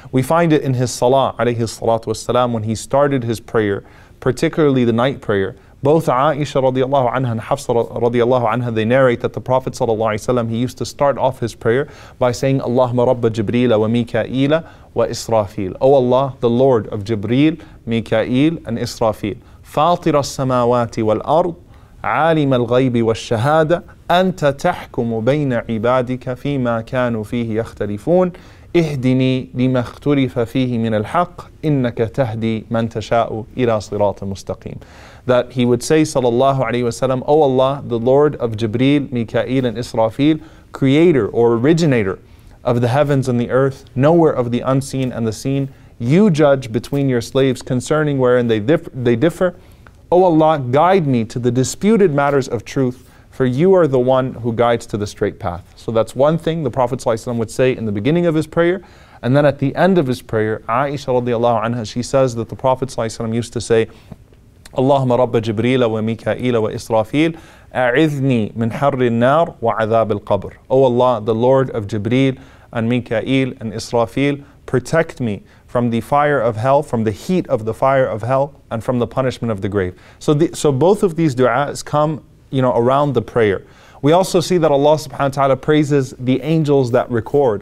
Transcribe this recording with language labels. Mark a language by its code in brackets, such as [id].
[en] We find it in his salah, alayhi salatu wasalam, when he started his prayer, particularly the night prayer. Both Aisha radiallahu anha and Hafsa radiallahu anha, they narrate that the Prophet sallallahu alaihi wasallam, he used to start off his prayer by saying, [ar] Allahumma rabba Jibreel wa Mikaila wa Israfil. [en] O Allah, the Lord of Jibreel, Mikael and Israfil. [ar] فاطر السماوات والأرض عالم الغيب والشهادة أنت تحكم بين عبادك فيما كانوا فيه يختلفون اهدني لما اختلف فيه من الحق إنك تهدي من تشاء إلى صراط مستقيم. [en] That he would say sallallahu alayhi wa sallam, O Allah, the Lord of Jibreel, Mikael and Israfil, creator or originator of the heavens and the earth, knower of the unseen and the seen, you judge between your slaves concerning wherein they differ. O Allah, guide me to the disputed matters of truth, for you are the one who guides to the straight path. So that's one thing the Prophet ﷺ would say in the beginning of his prayer. And then at the end of his prayer, Aisha radiallahu anha, she says that the Prophet ﷺ used to say, [ar] اللهم رب جبريل وميكائيل وإسرافيل أعذني من حر النار وعذاب القبر. [en] Oh Allah, the Lord of Jibril and Mikael and Israfil, protect me from the fire of hell, from the heat of the fire of hell, and from the punishment of the grave. So both of these du'as come, you know, around the prayer. We also see that Allah subhanahu wa ta'ala praises the angels that record.